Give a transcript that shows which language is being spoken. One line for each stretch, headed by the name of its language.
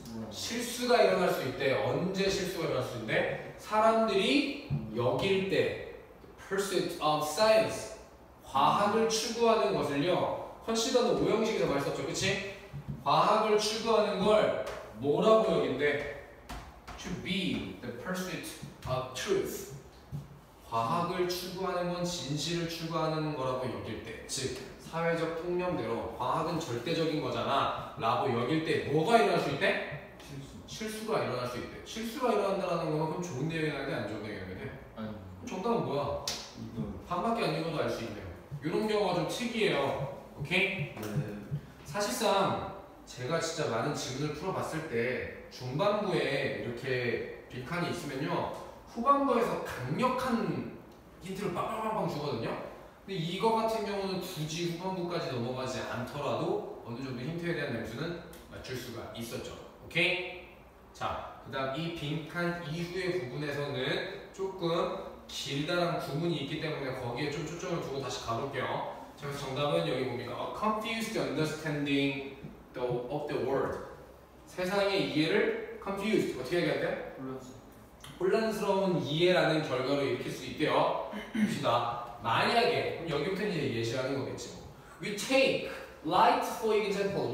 Korean: 실수가 일어날 수 있대. 언제 실수가 일어날 수 있대? 사람들이 여길 때.
English: The pursuit of science.
Korean: 과학을 추구하는 것을요. 컨시더는 오형식에서 말했었죠. 그치? 과학을 추구하는 걸 뭐라고 여긴대?
English: To be the pursuit of truth.
Korean: 과학을 추구하는 건 진실을 추구하는 거라고 여길 때. 즉, 사회적 통념대로 과학은 절대적인 거잖아 라고 여길 때 뭐가 일어날 수 있대? 실수가 일어날 수 있대. 실수가 일어난다는 건 그럼 좋은 내용인데 안 좋은 내용인데? 정답은 뭐야? 반밖에 안 읽어도 알 수 있네요. 이런 경우가 좀 특이해요. 오케이? 사실상 제가 진짜 많은 질문을 풀어봤을 때 중반부에 이렇게 빈칸이 있으면요 후반부에서 강력한 힌트를 빵빵빵 주거든요. 근데 이거 같은 경우는 굳이 후반부까지 넘어가지 않더라도 어느 정도 힌트에 대한 냄새는 맞출 수가 있었죠. 오케이? 자, 그 다음 이 빈칸 이후의 부분에서는 조금 길다란 구문이 있기 때문에 거기에 좀 초점을 두고 다시 가볼게요. 자, 그래서 정답은 여기 봅니다.
English: A confused understanding of the world.
Korean: 세상의 이해를 confused. 어떻게 얘기할까요? 혼란스러운 이해라는 결과로 일으킬 수 있대요. 봅시다. 만약에, 그럼 여기부터 이제 예시하는 거겠지 뭐.
English: We take light for example.